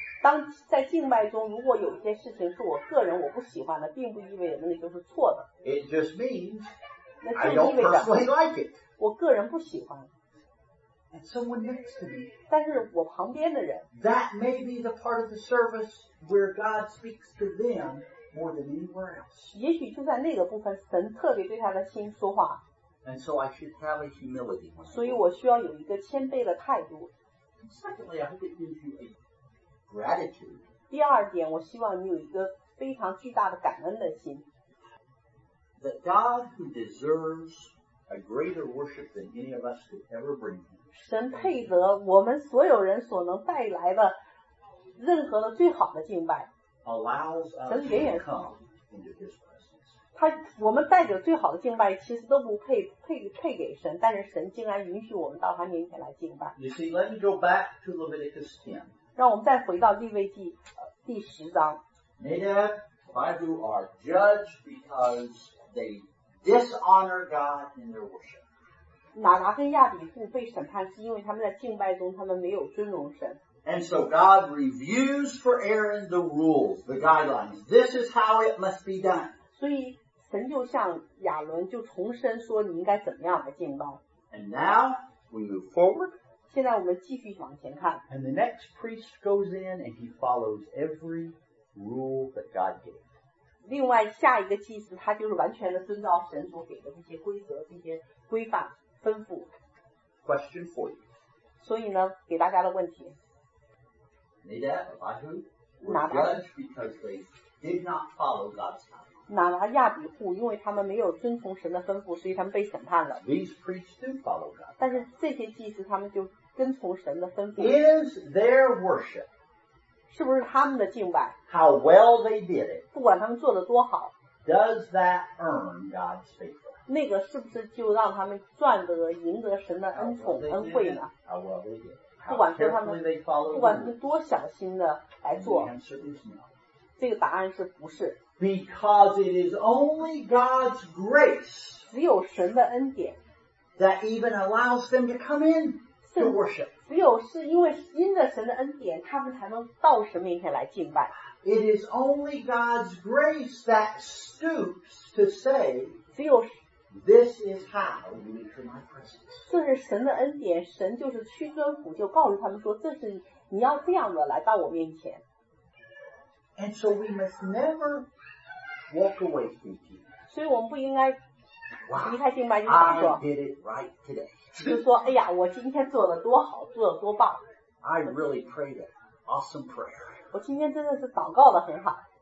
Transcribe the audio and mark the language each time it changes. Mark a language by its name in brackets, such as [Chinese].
[Chinese] 当在敬拜中，如果有一些事情是我个人我不喜欢的，并不意味着那就是错的。 [English] It just means [Chinese] 那就意味着 [English] I don't personally like it. [Chinese] 我个人不喜欢。 [English] And someone next to me. [Chinese] 但是我旁边的人。 [English] That may be the part of the service where God speaks to them more than anywhere else. [Chinese] 也许就在那个部分，神特别对他的心说话。 [English] And so I should have a humility. [Chinese] 所以我需要有一个谦卑的态度。 [English] And secondly, I hope it gives you a gratitude. [Chinese] 第二点，我希望你有一个非常巨大的感恩的心。 [English] That God who deserves a greater worship than any of us could ever bring him. [Chinese] 神配得我们所有人所能带来的任何的最好的敬拜。 [English] Allows us to come into his presence. [Chinese] 他我们带着最好的敬拜其实都不配给神，但是神竟然允许我们到他面前来敬拜。 [English] You see, let me go back to Leviticus 10. [Chinese] 让我们再回到利未记第十章。 [English] Nadab and Abihu are judged because they dishonor God in their worship. [Chinese] 拿达跟亚比户被审判是因为他们在敬拜中他们没有尊荣神。 [English] And so God reviews for Aaron the rules, the guidelines. This is how it must be done. [Chinese] 所以神就向亚伦就重申说你应该怎么样来敬拜。 [English] And now we move forward. [Chinese] 现在我们继续往前看。 [English] And the next priest goes in and he follows every rule that God gave. [Chinese] 另外下一个祭司他就是完全的遵照神所给的这些规则、这些规范、吩咐。 [English] Question for you. [Chinese] 所以呢，给大家的问题。 [English] Nadab and Abihu were judged because they did not follow God's guidelines. [Chinese] 拿达亚比户因为他们没有遵从神的吩咐，所以他们被审判了。 [English] These priests do follow God. [Chinese] 但是这些祭司他们就跟从神的吩咐。 [English] Is their worship? [Chinese] 是不是他们的敬拜 [English] ？How well they did it. [Chinese] 不管他们做的多好。 [English] Does that earn God's favor? [Chinese] 那个是不是就让他们赚得赢得神的恩宠恩惠呢 [English] ？How well they did. [Chinese] 不管他们多小心的来做，这个答案是不是 [English] ？Because it is only God's grace， [Chinese] 只有神的恩典 [English] ，that even allows them to come in to worship。 [Chinese] 只有是因为因着神的恩典，他们才能到神面前来敬拜。 [English] It is only God's grace that stoops to say， [Chinese] 只有。 [English] This is how you enter my presence. [Chinese] 这是神的恩典，神就是屈尊俯，就告诉他们说，这是你要这样的来到我面前。 [English] And so we must never walk away thinking. [Chinese] 所以我们不应该离开敬拜就大说。 [English] Wow, I did it right today. [Chinese] 就说哎呀，我今天做的多好，做的多棒。 [English] I really prayed an awesome prayer. [Chinese] 我今天真的是祷告的很好。